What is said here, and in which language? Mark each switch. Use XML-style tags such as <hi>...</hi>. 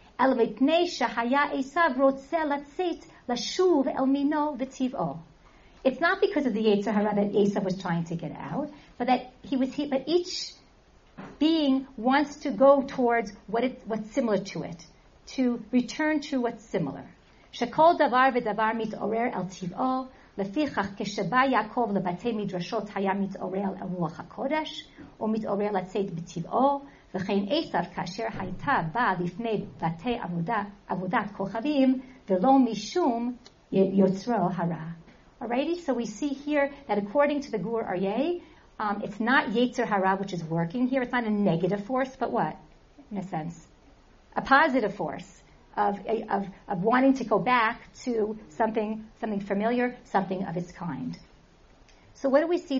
<en>It's not because of the Yetzer Hara that Esav was trying to get out, but that but each being wants to go towards what's similar to it, to return to what's similar.</en> <he>שכל דבר ודבר מתעורר אל טבעו, לפיכך כשבא יעקב לבתי מדרשות היה מתעורר אל רוח הקודש, או מתעורר לצאת בטבעו, וכן עשר כאשר הייתה באה לפני בתי עבודה, עבודת כוכבים, ולא משום יוצרו הרע.</he> <en>Alrighty, so we see here that according to the Gur Aryeh, it's not Yetzer Hara which is working here. It's not a negative force, but what, in a sense, a positive force of wanting to go back to something familiar, something of its kind. So what do we see?</en>